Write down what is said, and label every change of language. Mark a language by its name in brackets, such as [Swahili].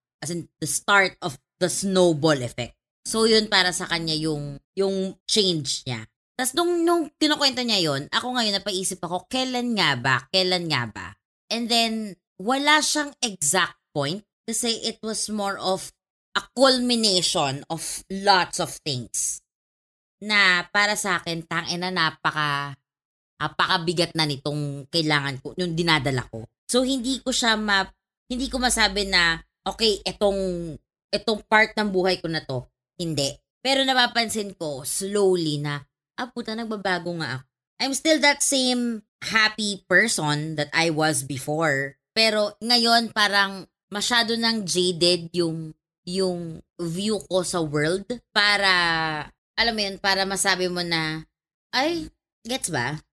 [English] As in, the start of the snowball effect. [Filipino] So yun para sa kanya yung change niya. Tapos nung kinukwento niya yun, ako ngayon napaisip ako, kailan nga ba? [English] And then, [Filipino] wala siyang [English] exact point kasi it was more of a culmination of lots of things. [Filipino] Na para sa akin, tangina, napakabigat na nitong kailangan ko, yung dinadala ko. So, hindi ko masabi na, okay, itong itong part ng buhay ko na to, hindi. Pero napapansin ko, slowly na, ah puta, nagbabago nga ako. [English] I'm still that same happy person that I was before. [Filipino] Pero ngayon, parang masyado nang jaded yung view ko sa world para, alam mo yun, para masabi mo na, ay, gets ba?